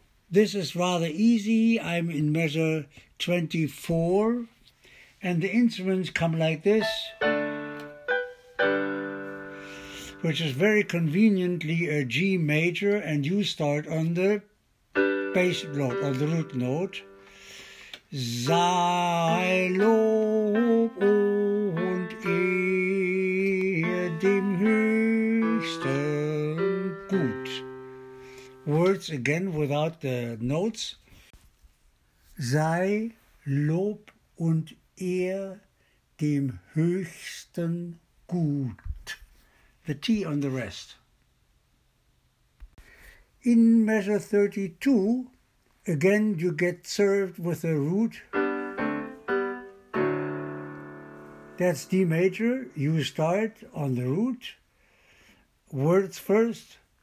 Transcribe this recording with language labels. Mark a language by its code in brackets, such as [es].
[en] This is rather easy. I'm in measure 24, and the instruments come like this, which is very conveniently a G major, and you start on the bass note, on the root note. [de] Sei Lob und Ehre dem Höchsten gut. [en] Words again without the notes. [de] Sei Lob und Ehre dem Höchsten gut. [en] The T on the rest. In measure 32, again you get served with a root. That's D major. You start on the root. Words first.